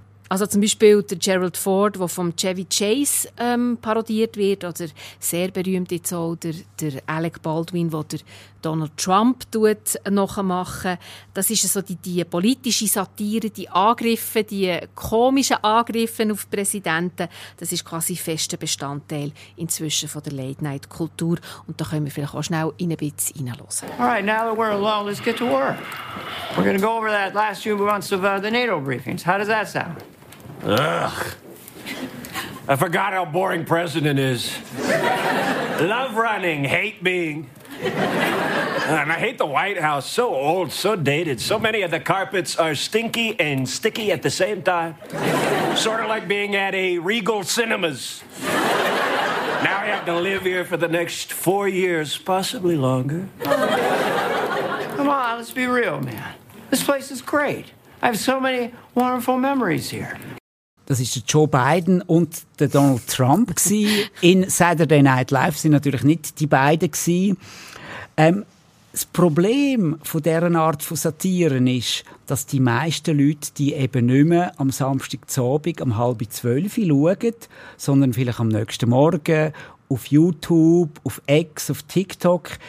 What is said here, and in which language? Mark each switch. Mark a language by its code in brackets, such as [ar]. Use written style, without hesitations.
[de] Also zum Beispiel der Gerald Ford, der vom Chevy Chase parodiert wird, oder sehr berühmt jetzt auch der Alec Baldwin, der Donald Trump tut noch machen. Das ist so die politische Satire, die Angriffe, die komischen Angriffe auf Präsidenten. Das ist quasi fester Bestandteil inzwischen von der Late-Night-Kultur. Und da können wir vielleicht auch schnell in ein bisschen reinhören. [en] All right, now that we're alone, let's get to work. We're going to go over that last few months of the NATO briefings. How does that sound? Ugh. I forgot how boring president is. Love running, hate being. And I hate the White House. So old, so dated. So many of the carpets are stinky and sticky at the same time. Sort of like being at a Regal Cinemas. Now I have to live here for the next 4 years, possibly longer. Come on, let's be real, man. This place is great. I have so many wonderful memories here. [de] Das ist der Joe Biden und der Donald Trump in Saturday Night Live. Sind natürlich nicht die beiden. Das Problem von dieser Art von Satiren ist, dass die meisten Leute die eben nicht mehr am Samstagabend um 11:30 schauen, sondern vielleicht am nächsten Morgen auf YouTube, auf X, auf TikTok.